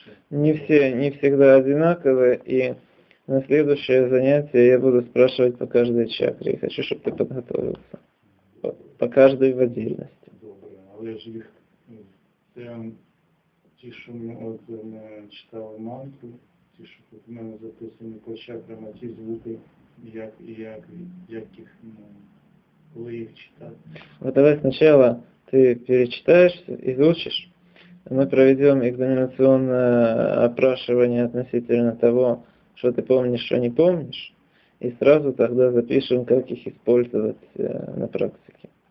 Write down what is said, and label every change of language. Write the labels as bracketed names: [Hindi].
[Russian] Не все, не всегда одинаковые, и на следующее занятие я буду спрашивать по каждой чакре. Я хочу, чтобы ты подготовился. По каждой в отдельности. [Ukrainian] Добре, але ж їх ті, що ми читали мантру, ті, що тут в мене записані по чакрам, а ті звуки, як їх, коли їх читати. Давай спочатку ти перечитаєш і звучиш. [Russian] Мы проведем экзаменационное опрашивание относительно того, что ты помнишь, что не помнишь, и сразу тогда запишем, как их использовать на практике.